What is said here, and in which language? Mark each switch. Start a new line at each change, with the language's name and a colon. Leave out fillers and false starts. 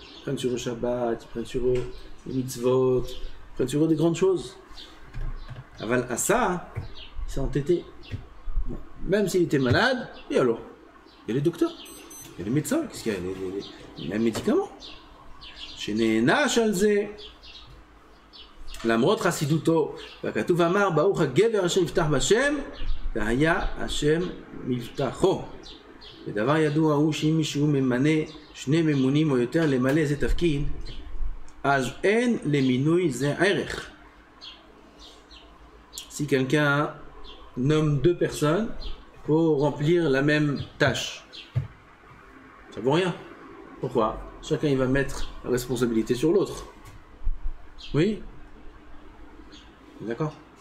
French: Ils prennent sur eux Shabbat, ils prennent sur eux les mitzvot, ils prennent sur eux des grandes choses.
Hebrew: Aval
French: Asa, il s'est entêté. Même s'il était malade, et alors ? Il y a les docteurs, il y a les médecins, qu'est-ce qu'il y a ? Il y a les médicaments. Chez Nena Chalze,
Hebrew: למרות חסידותו, וכתוב אמר, ברוך הגבר אשר יפתח בשם, והיה השם מבטחו. ודבר ידוע הוא שאם מישהו ממנה שני ממונים או יותר למלא איזה תפקיד, אז אין למינוי זה ערך.
French: Si quelqu'un nomme deux personnes pour remplir la même tâche, ça vaut rien. Pourquoi? Chacun il va mettre la responsabilité sur l'autre. Oui? D'accord.